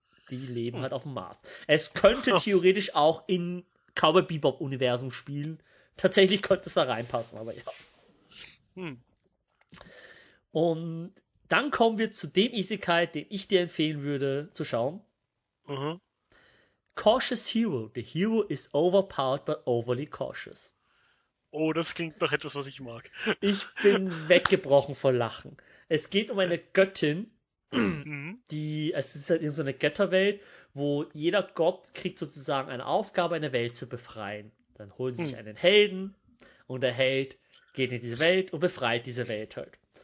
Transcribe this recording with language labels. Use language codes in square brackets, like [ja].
[de] Die leben halt auf dem Mars. Es könnte theoretisch auch in Cowboy Bebop-Universum spielen. Tatsächlich könnte es da reinpassen, aber ja. Und dann kommen wir zu dem Isekai, den ich dir empfehlen würde zu schauen. [en] Cautious Hero. The hero is overpowered but overly cautious. [de] Oh, das klingt nach etwas, was ich Ich bin mag. weggebrochen vor Lachen. Es geht um eine Göttin, es ist halt in so einer Götterwelt, wo jeder Gott kriegt sozusagen eine Aufgabe, eine Welt zu befreien. Dann holen sie sich einen Helden und der Held geht in diese Welt und befreit diese Welt halt.